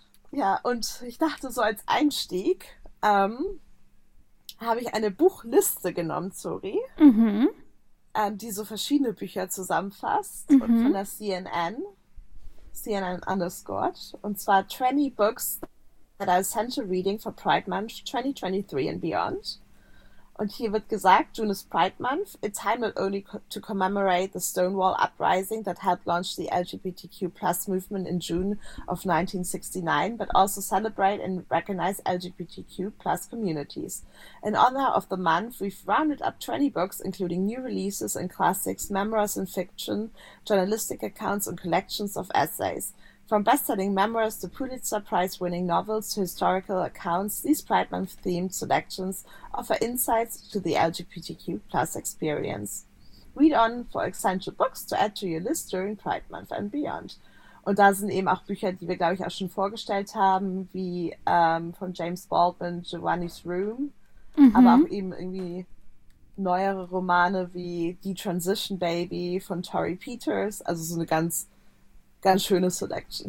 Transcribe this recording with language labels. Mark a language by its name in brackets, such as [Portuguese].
[German] Ja, und ich dachte so als Einstieg, habe ich eine Buchliste genommen, Zuri, die so verschiedene Bücher zusammenfasst und von der CNN underscored, und zwar [English] 20 Books that are essential reading for Pride Month 2023 and beyond. [German] Und hier wird gesagt, [English] June is Pride Month, a time not only to commemorate the Stonewall Uprising that helped launch the LGBTQ+ movement in June of 1969, but also celebrate and recognize LGBTQ+ communities. In honor of the month, we've rounded up 20 books, including new releases and classics, memoirs and fiction, journalistic accounts and collections of essays. From best-selling memoirs to Pulitzer Prize-winning novels to historical accounts, these Pride Month-themed selections offer insights to the LGBTQ+ experience. Read on for essential books to add to your list during Pride Month and beyond. [German] Und da sind eben auch Bücher, die wir, glaube ich, auch schon vorgestellt haben, wie von James Baldwin, Giovanni's Room, aber auch eben irgendwie neuere Romane wie The Transition Baby von Tori Peters, also so eine ganz schöne Selection.